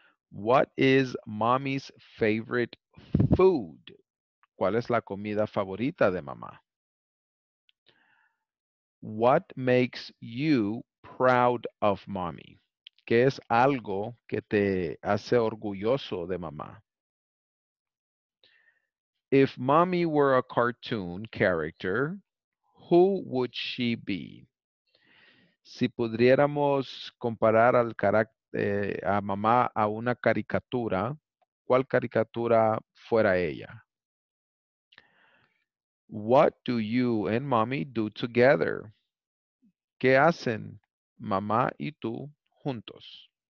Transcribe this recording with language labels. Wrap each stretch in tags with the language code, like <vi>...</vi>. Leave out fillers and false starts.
<en>What is mommy's favorite food?</en> <es>¿Cuál es la comida favorita de mamá?</es> <en>What makes you proud of mommy?</en> <es>¿Qué es algo que te hace orgulloso de mamá?</es> <en>If mommy were a cartoon character, who would she be?</en> <es>Si pudiéramos comparar al carácter a mamá a una caricatura, ¿cuál caricatura fuera ella?</es> <en>What do you and mommy do together?</en> <es>¿Qué hacen mamá y tú juntos?</es>